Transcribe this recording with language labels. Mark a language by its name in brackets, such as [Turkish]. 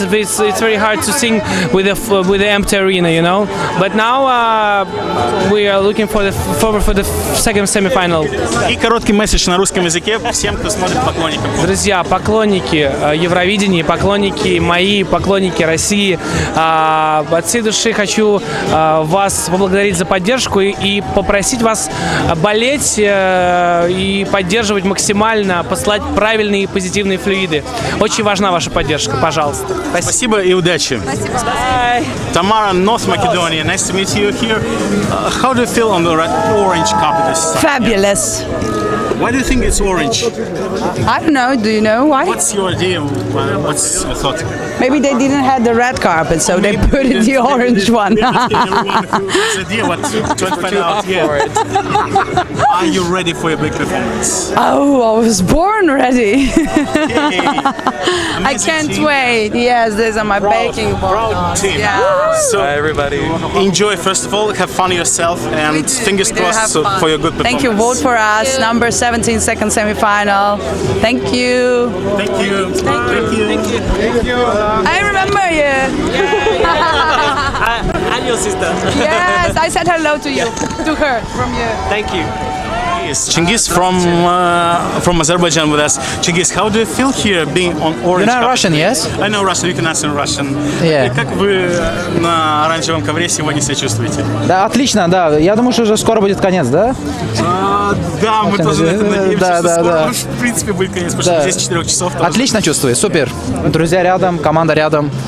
[English] It's very hard to sing with the empty arena, you know. But now we are looking forward for the second semifinal. [Russian] И короткий месседж на русском языке всем, кто смотрит, поклонникам. Друзья, поклонники Евровидения, поклонники мои, поклонники России, от всей души хочу вас поблагодарить за поддержку и попросить вас болеть и поддерживать максимально, посылать правильные и позитивные флюиды. Очень важна ваша поддержка, пожалуйста. Спасибо, спасибо и удачи. Спасибо. [English] Тамара, North Macedonia. Nice to meet you here. How do you feel on the red orange carpet? Fabulous. Why do you think it's orange? I don't know. Do you know why? What's your idea? What's your thought? Maybe they didn't have the red carpet, so they put in the orange one. Idea, but to find out here. Are you ready for your big performance? Oh, I was born ready. I can't wait. Yes, these are my baking balls. Yeah. So hi, everybody, enjoy first of all. Have fun yourself, and fingers crossed so for your good performance. Thank you. Vote for us. Number 17, second semifinal. Thank you. Thank you. Thank you. Thank you. Thank you. Thank you. I remember you. Yeah. And your sister. Yes, I said hello to you, to her, from you. Thank you. Yes, Chingiz from Azerbaijan with us. Chingiz, how do you feel here being on orange? You're not Russian, yes? I know Russian. You can answer in Russian. Yeah. [Russian] Как вы на оранжевом ковре сегодня себя чувствуете? Да, отлично. Да, я думаю, что уже скоро будет конец, да? Да, мы тоже надеемся, что скоро, в принципе, будет конец, потому что здесь 4 часов. Отлично чувствую, супер. Друзья рядом, команда рядом.